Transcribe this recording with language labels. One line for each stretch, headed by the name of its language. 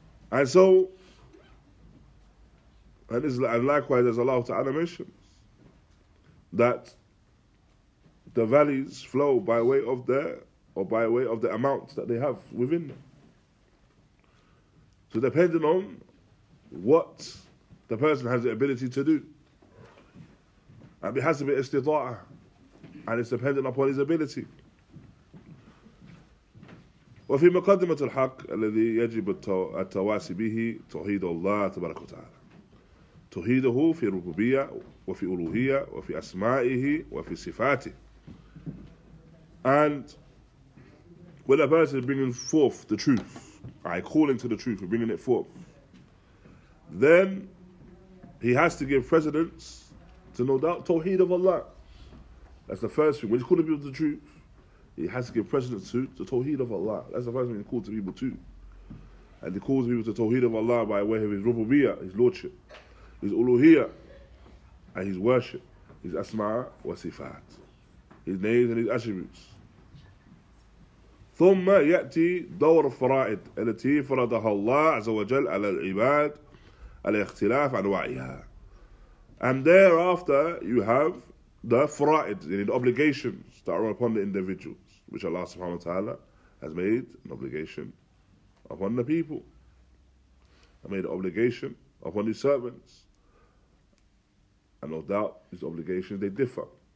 English: And so, and likewise, as Allah Ta'ala mentions, that the valleys flow by way of their, or by way of the amount that they have within them. So depending on what the person has the ability to do, and it has to be istita'ah, and it's dependent upon his ability.
Arabic: وفي مقدمة الحق الذي يجب التواسي به توحيد الله تبارك وتعالى. تهيده في ربوبية وفي ألوهية وفي أسمائه وفي صفاته.
English: And when a person is bringing forth the truth, right, calling to the truth, bringing it forth, then he has to give precedence to no doubt Tawheed of Allah. That's the first thing. When he's calling people to the truth, he has to give precedence to the Tawheed of Allah. That's the first thing he calls to people to. And he calls people to Tawheed of Allah by way of his Rububiyyah, his Lordship, his Uluhiyyah, and his worship, his Asma' wa Sifat, his names and his attributes.
Arabic: ثم يأتي دور الفرائض التي فرضها الله عز وجل على العباد على اختلاف أنواعها.
English: And thereafter you have the faraid, the obligations that are upon the individuals, which Allah subhanahu wa ta'ala has made an obligation upon the people. And made an obligation upon his servants. And no doubt his obligations, they differ.